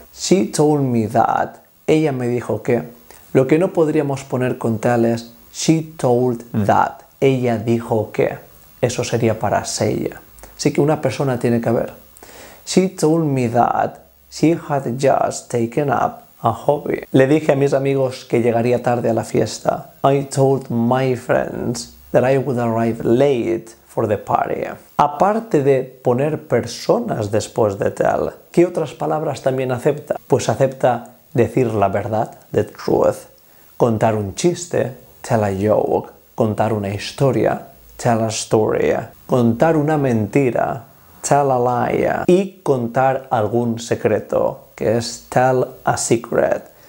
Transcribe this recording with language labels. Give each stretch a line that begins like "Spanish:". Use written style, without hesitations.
English: She told me that.
Spanish: Ella me dijo que. Lo que no podríamos poner con tal es
English: she told that.
Spanish: Ella dijo que. Eso sería para say. Así que una persona tiene que haber.
English: She told me that she had just taken up a hobby.
Spanish: Le dije a mis amigos que llegaría tarde a la fiesta.
English: I told my friends that I would arrive late for the party.
Spanish: Aparte de poner personas después de tell, ¿qué otras palabras también acepta? Pues acepta decir la verdad,
English: the truth,
Spanish: contar un chiste,
English: tell a joke,
Spanish: contar una historia,
English: tell a story,
Spanish: contar una mentira,
English: tell a lie,
Spanish: y contar algún secreto, que es
English: tell a secret.